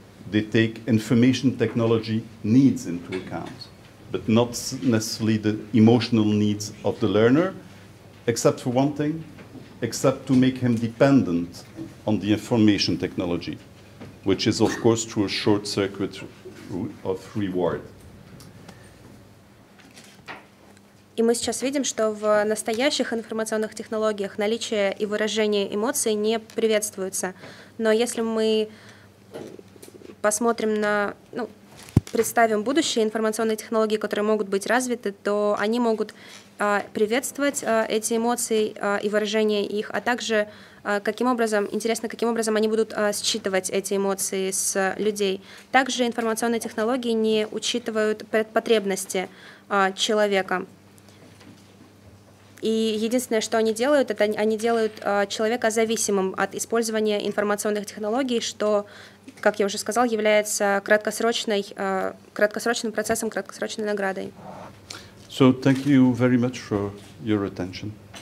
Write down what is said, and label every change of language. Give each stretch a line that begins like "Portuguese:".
English: They take information technology needs into account, but not necessarily the emotional needs of the learner, except for one thing, except to make him dependent on the information technology, which is, of course, through a short circuit of reward.
Russian: И мы сейчас видим, что в настоящих информационных технологиях наличие и выражение эмоций не приветствуется. Но если мы посмотрим на, ну, представим будущее информационные технологии, которые могут быть развиты, то они могут приветствовать эти эмоции и выражение их, а также каким образом, интересно, каким образом они будут считывать эти эмоции с людей. Также информационные технологии не учитывают потребности человека. И единственное, что они делают, это они делают человека зависимым от использования информационных технологий, что, как я уже сказал, является краткосрочным процессом, краткосрочной наградой.
English: So thank you very much for your attention.